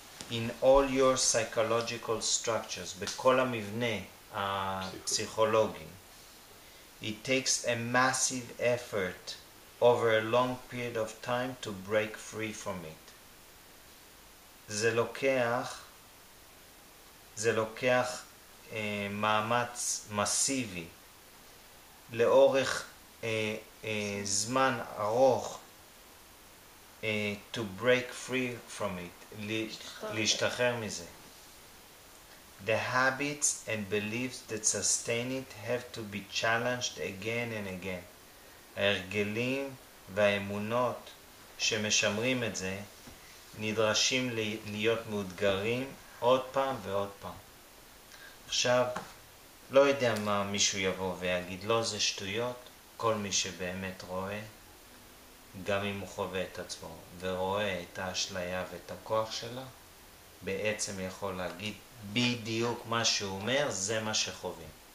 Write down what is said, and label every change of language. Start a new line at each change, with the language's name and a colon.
English: In all your psychological structures,
Hebrew: בכל המבנה הפסיכולוגי.
English: It takes a massive effort over a long period of time to break free from it.
Hebrew: זה לוקח זה לוקח מאמץ מסיבי לאורך זמן ארוך
English: to break free from it,
Hebrew: להשתחרר מזה.
English: The habits and beliefs that sustain it have to be challenged again and again.
Hebrew: ההרגלים והאמונות שמשמרים את זה נדרשים להיות מאותגרים עוד פעם ועוד פעם. עכשיו, לא יודע מה מישהו יבוא ויגיד, לא זה שטויות, כל מי שבאמת רואה, גם אם הוא חווה את עצמו ורואה את האשליה ואת הכוח שלה, בעצם יכול להגיד בדיוק מה שהוא אומר, זה מה שחווים.